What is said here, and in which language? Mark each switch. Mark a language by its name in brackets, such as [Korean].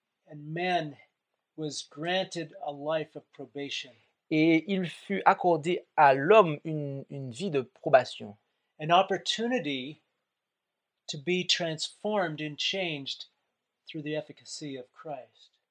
[English] And man was granted a life of probation. [French] Et il fut accordé à l'homme une vie de probation. [English] An opportunity to be transformed and changed through the efficacy of Christ.